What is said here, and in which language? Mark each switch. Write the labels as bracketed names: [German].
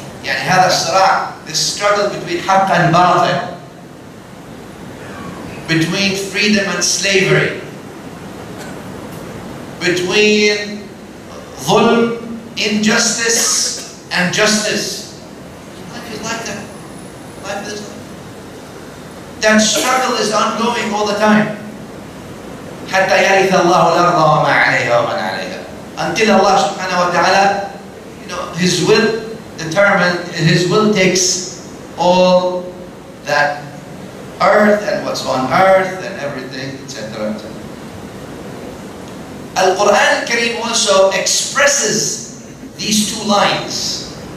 [Arabic] يعني هذا الصراع, [English] this struggle between حق and باطل, between freedom and slavery, between ظلم, injustice, and justice. Life is like that. Life is like that. That struggle is ongoing all the time. [Arabic] حتى يرث الله الأرض وما عليها ومن عليها. [English] Until Allah subhanahu wa ta'ala, you know, His will determines, His will takes all that earth and what's on earth and everything, etc. Al-Qur'an al-Kareem also expresses these two lines.